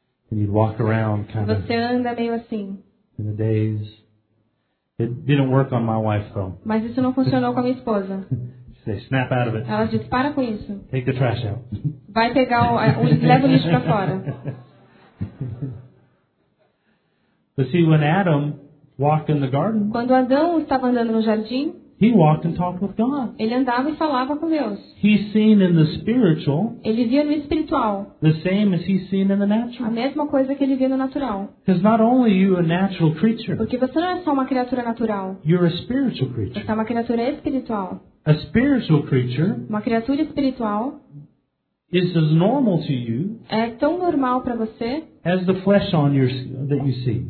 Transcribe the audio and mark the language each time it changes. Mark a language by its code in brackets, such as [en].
[en] And you'd walk around kind [pt] of. Você anda meio assim. [en] In the days. It didn't work on my wife though. [pt] Mas isso não funcionou com a minha esposa. [en] They snap out of it. [pt] Ela diz, para com isso. [en] Take the trash out. [pt] Vai pegar leva o lixo para fora. [en] But see, when Adam walked in the garden, [pt] quando Adão estava andando no jardim, [en] he walked and talked with God. [pt] Ele andava e falava com Deus. [en] He seen in the spiritual, [pt] ele via no espiritual, [en] the same as he seen in the natural, [pt] a mesma coisa que ele via no natural. [en] Because not only are you a natural creature, [pt] porque você não é só uma criatura natural, [en] you're a spiritual creature. [pt] Você é uma criatura espiritual. [en] A spiritual creature, [pt] uma criatura espiritual, [en] is as normal to you [pt] é tão normal para você [en] as the flesh on your, that you see.